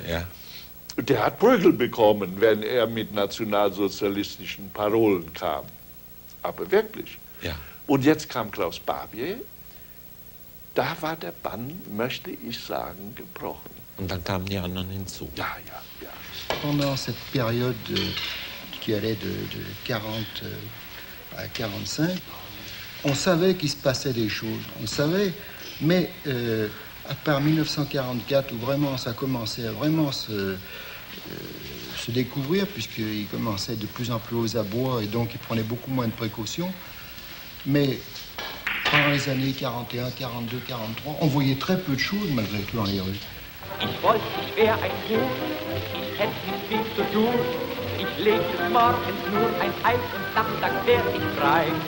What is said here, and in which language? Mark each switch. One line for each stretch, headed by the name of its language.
German: Ja. Der hat Prügel bekommen, wenn er mit nationalsozialistischen Parolen kam. Aber wirklich. Ja. Und jetzt kam Klaus Barbier. Da war der Bann, möchte ich sagen, gebrochen. Und dann kamen die anderen hinzu. Ja, ja, ja.
French: Pendant cette période qui allait de 40 à 45, on savait qu'il se passait des choses. On savait, mais à part 1944, où vraiment ça commençait à vraiment se découvrir, puisqu'il commençait de plus en plus aux abois et donc il prenait beaucoup moins de précautions. Mais pendant les années 41, 42, 43, on voyait très peu de choses malgré tout dans les rues.
German: Ich wollte schwer ein Buch, ich hätte nicht viel zu tun. Ich legte morgens nur ein Ei und Samstag wär ich frei.